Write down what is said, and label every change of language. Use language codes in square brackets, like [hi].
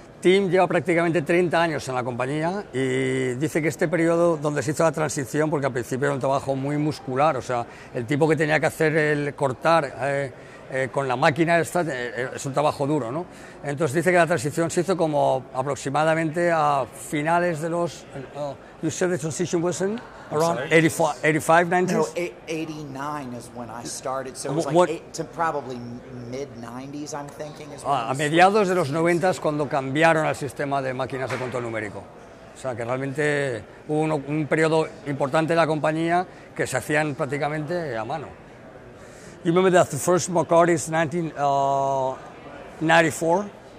[es] Tim lleva prácticamente 30 años en la compañía y dice que este periodo donde se hizo la transición, porque al principio era un trabajo muy muscular, o sea, el tipo que tenía que hacer el cortar con la máquina esta, es un trabajo duro, ¿no? Entonces dice que la transición se hizo como aproximadamente a finales de los... [en] you said the transition was in? Around 89 is when I started, so it was like to probably mid-90s, I'm thinking. Is [es] a mediados de los 90s cuando cambiaron al sistema de máquinas de control numérico. O sea, que realmente hubo un periodo importante de la compañía que se hacían prácticamente a mano. [en] You remember that the first McCarty is 1994?